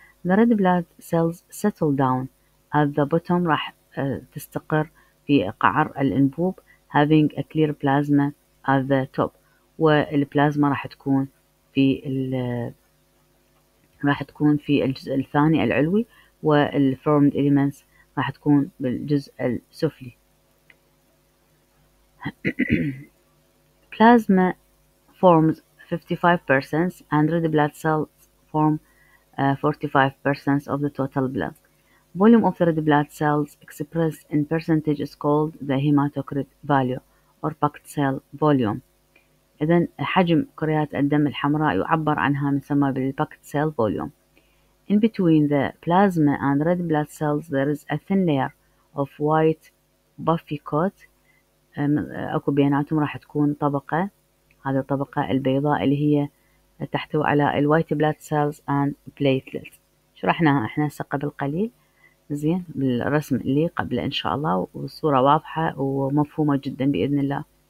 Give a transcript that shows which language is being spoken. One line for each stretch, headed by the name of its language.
English: The red blood cells settle down at the bottom
Arabic: راح تستقر في قعر الانبوب
English: having a clear plasma at the top
Arabic: والبلازما راح تكون في الجزء الثاني العلوي والformed elements راح تكون بالجزء السفلي.
English: Plasma forms 55% and red blood cells form 45% of the total blood. Volume of the red blood cells expressed in percentage is called the hematocrit value or packed cell volume.
Arabic: إذن حجم كريات الدم الحمراء يعبر عنها يسمى بالpacked cell volume.
English: In between the plasma and red blood cells, there is a thin layer of white buffy coat.
Arabic: أكو بيناتهم راح تكون طبقة، هذه الطبقة البيضاء اللي هي تحتوي على
English: the white blood cells and platelets.
Arabic: شرحناها إحنا هسه قبل قليل، زين بالرسم اللي قبل إن شاء الله والصورة واضحة ومفهومة جدا بإذن الله.